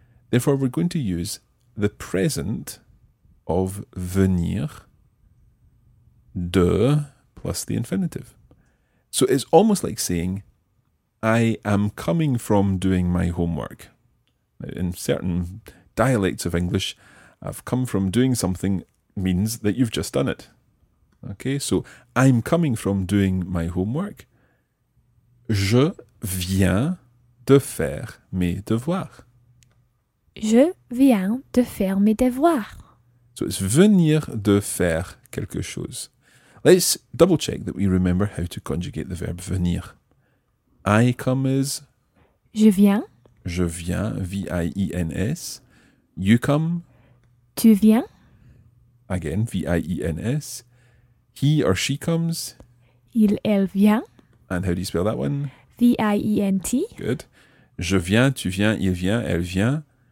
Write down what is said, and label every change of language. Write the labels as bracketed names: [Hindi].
[English] Therefore, we're going to use the present of venir de plus the infinitive. So it's almost like saying, I am coming from doing my homework. In certain dialects of English, I've come from doing something means that you've just done it. Okay, so I'm coming from doing my homework. [French] Je viens de faire mes devoirs. Je viens de faire mes devoirs. [English] So it's [French] venir de faire quelque chose. [English] Let's double check that we remember how to conjugate the verb venir. I come is? [French] Je viens. Je viens, V-I-E-N-S. [English] You come? [French] Tu viens. [English] Again, V-I-E-N-S. He or she comes? [French] Il, elle vient. [English] And how do you spell that one? V-I-E-N-T. Good. [French] Je viens, tu viens, il vient, elle vient.